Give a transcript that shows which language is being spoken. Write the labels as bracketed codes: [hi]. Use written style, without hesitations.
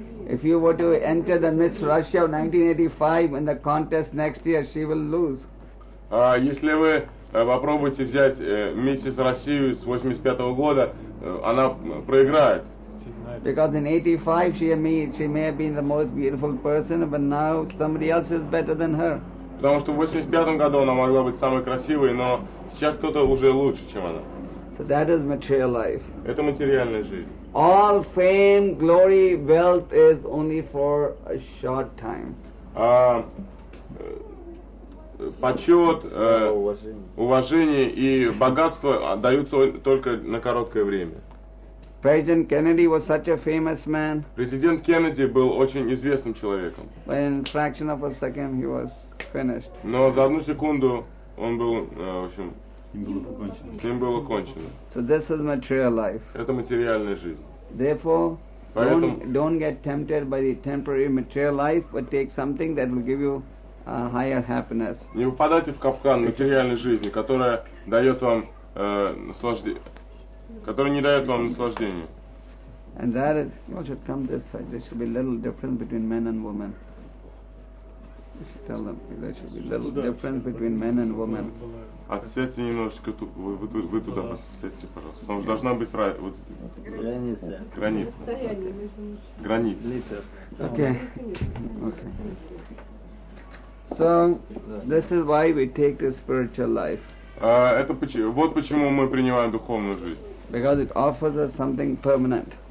[en] If you were to enter the Miss [ru] если вы попробуете взять миссис Россию с 85-го года, она проиграет. [en] Because in 85 she may have been the most beautiful person, but now somebody else is better than her. [ru] Потому что в 85-м году она могла быть самой красивой, но сейчас кто-то уже лучше, чем она. [en] So that is material life. [ru] Это материальная жизнь. [en] All fame, glory, wealth is only for a short time. [ru] Почет, уважение и богатство даются только на короткое время. [en] President Kennedy was such a famous man. [ru] Президент Кеннеди был очень известным человеком. [en] But in fraction of a second he was finished. [ru] Но за одну секунду он был, в общем. Им было кончено. [en] So this is material life. [ru] Это материальная жизнь. [en] Therefore, don't get tempted by the temporary material life, but take something that will give you a higher happiness. [ru] Не попадайте в капкан материальной жизни, которая дает вам наслаждение, которая не дает вам наслаждения. [en] And that is, you should come this side. There should be a little difference between men and women. You should tell them there should be a little difference between men and women. [ru] Отсядьте немножечко, вы туда отсядьте, пожалуйста. Потому что должна быть вот, граница. Граница. [en] Okay. So, this is why we take the spiritual life. [ru] Вот почему мы принимаем духовную жизнь. [en] Because it offers us something permanent.